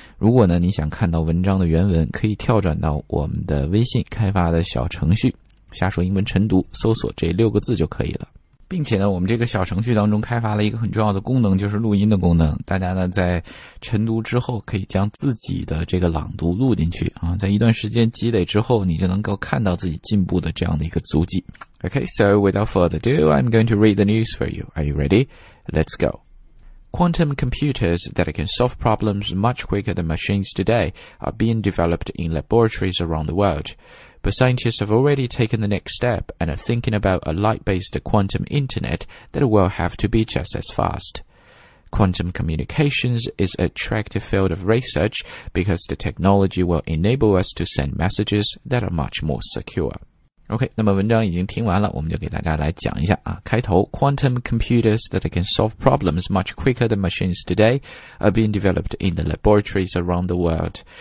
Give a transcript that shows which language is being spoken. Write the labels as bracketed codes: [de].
[zh] 如果呢你想看到文章的原文，可以跳转到我们的微信开发的小程序瞎说英文晨读，搜索这六个字就可以了。并且呢，我们这个小程序当中开发了一个很重要的功能，就是录音的功能。大家呢在晨读之后可以将自己的这个朗读录进去啊，在一段时间积累之后，你就能够看到自己进步的这样的一个足迹。 [en] Okay, so without further ado, I'm going to read the news for you. Are you ready? Let's goQuantum computers that can solve problems much quicker than machines today are being developed in laboratories around the world. But scientists have already taken the next step and are thinking about a light-based quantum internet that will have to be just as fast. Quantum communications is an attractive field of research because the technology will enable us to send messages that are much more secure. [zh] OK, 那么文章已经听完了，我们就给大家来讲一下啊。开头 [en] Quantum computers that can solve problems much quicker than machines today are being developed in the laboratories around the world.